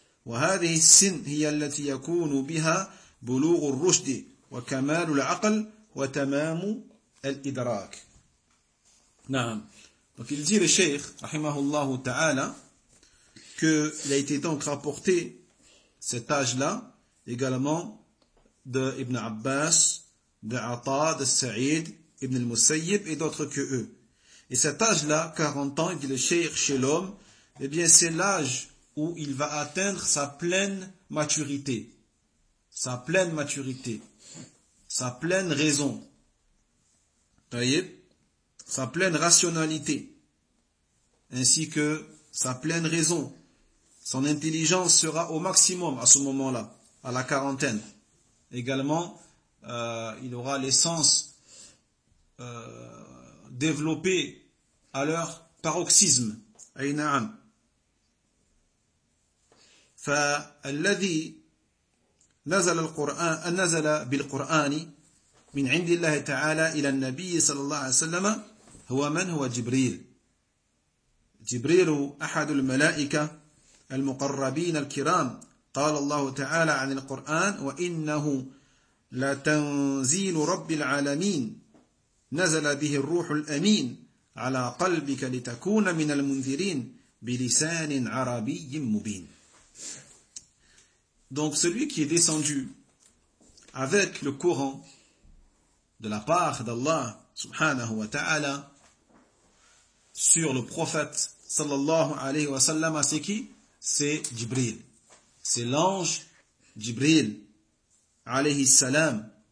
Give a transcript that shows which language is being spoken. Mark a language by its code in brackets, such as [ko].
[ar] وهذه السن هي التي يكون بها بلوغ الرشد وكمال العقل وتمام الإدراك. نعم. [fr] Donc il dit le Cheikh, [ar] rahimahullah ta'ala, [fr] qu'il a été donc rapporté cet âge-là également de Ibn Abbas, de Ata, de Sa'id, Ibn al-Musayyib et d'autres que eux. Et cet âge-là, 40 ans, dit le Cheikh chez l'homme, eh bien c'est l'âge où il va atteindre sa pleine maturité, sa pleine maturité, sa pleine raison, sa pleine rationalité, ainsi que sa pleine raison. Son intelligence sera au maximum à ce moment-là, à la quarantaine. Également, il aura les sens développés à leur paroxysme. [ar] Aïna'am. فالذي نزل القرآن نزل بالقرآن من عند الله تعالى إلى النبي صلى الله عليه وسلم هو من هو جبريل جبريل أحد الملائكة المقربين الكرام قال الله تعالى عن القرآن وإنه لتنزيل رب العالمين نزل به الروح الأمين على قلبك لتكون من المنذرين بلسان عربي مبين. [fr] Donc celui qui est descendu avec le Coran de la part d'Allah [ar] subhanahu wa ta'ala [fr] sur le prophète [ar] sallallahu alayhi wa sallam, [fr] c'est qui? C'est Jibril. C'est l'ange Jibril [ar] alayhi salam